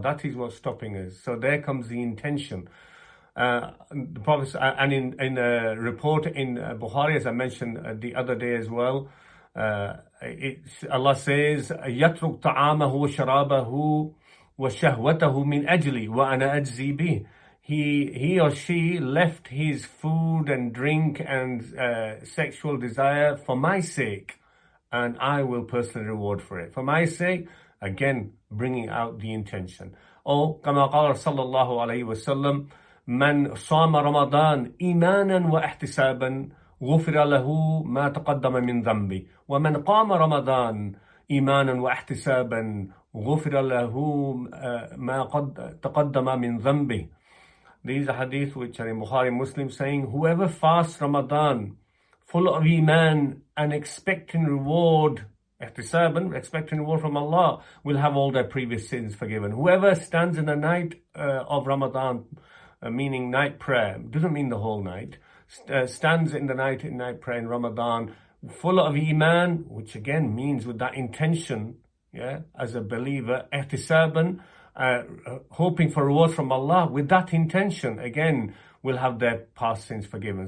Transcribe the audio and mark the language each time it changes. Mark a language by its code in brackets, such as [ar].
[en] That is what's stopping us. So there comes the intention. The Prophet, and in a report in Bukhari, as I mentioned the other day as well, Allah says, [ar] يَتْرُكْ تَعَامَهُ وَشَرَابَهُ وَشَهْوَتَهُ مِنْ أَجْلِي وَأَنَا أَجْزِي بِهِ. [en] He or she left his food and drink and sexual desire for my sake, and I will personally reward for it. For my sake, again, bringing out the intention. [ar] Oh, كما قال صلى الله عليه وسلم, من صام رمضان إيمانا واحتسابا غفر له ما تقدم من ذنبه ومن قام رمضان إيمانا واحتسابا غفر له ما تقدم من ذنبه. [en] These are hadith which are in Bukhari Muslim, saying whoever fasts Ramadan full of iman and expecting reward, ihtisaban, expecting reward from Allah, will have all their previous sins forgiven. Whoever stands in the night of Ramadan, meaning night prayer, doesn't mean the whole night, stands in the night in night prayer in Ramadan full of iman, which again means with that intention, yeah, as a believer, ihtisaban, hoping for reward from Allah with that intention, again, will have their past sins forgiven.